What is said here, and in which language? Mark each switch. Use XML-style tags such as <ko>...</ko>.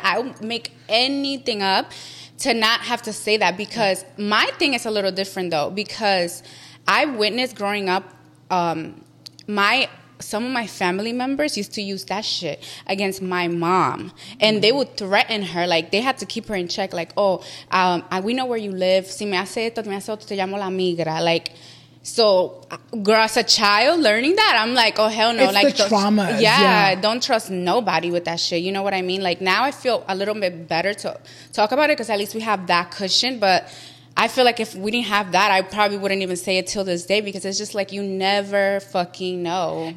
<en>I would make anything up to not have to say that. Because my thing is a little different, though. Because I witnessed growing up, some of my family members used to use that shit against my mom. And they would threaten her. Like, they had to keep her in check. Like, oh, we know where you live.</en> <es>Si me hace esto, me hace otro, te llamo la migra.</es> <en>Like, so, girl, as a child learning that, I'm like, oh, hell no. It's like, the trauma. Yeah, don't trust nobody with that shit. You know what I mean? Like, now I feel a little bit better to talk about it because at least we have that cushion. But I feel like if we didn't have that, I probably wouldn't even say it till this day because it's just like you never fucking know.</en>